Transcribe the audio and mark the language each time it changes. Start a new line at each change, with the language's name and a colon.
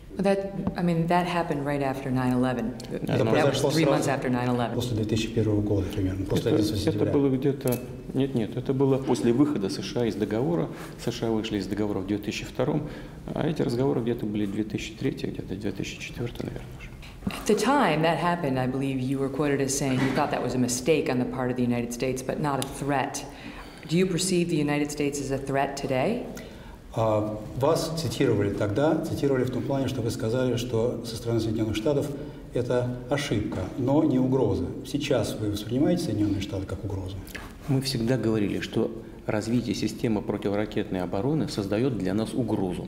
English: That, I mean, that happened right after 9/11.
Russian: Это произошло
English: three months after 9/11.
Russian: После 2001 года примерно, после 11 сентября. Это было где-то... Нет, это было после выхода США из договора. США вышли из договора в 2002, а эти разговоры где-то были 2003, где-то 2004, наверное.
English: At the time that happened, I believe you were quoted as saying you thought that was a mistake on the part of the United States, but not a threat. Do you perceive the United States as a threat today?
Russian: Вас цитировали тогда, цитировали в том плане, что вы сказали, что со стороны Соединенных Штатов это ошибка, но не угроза. Сейчас вы воспринимаете Соединенные Штаты как угрозу? Мы всегда говорили, что развитие системы противоракетной обороны создает для нас угрозу.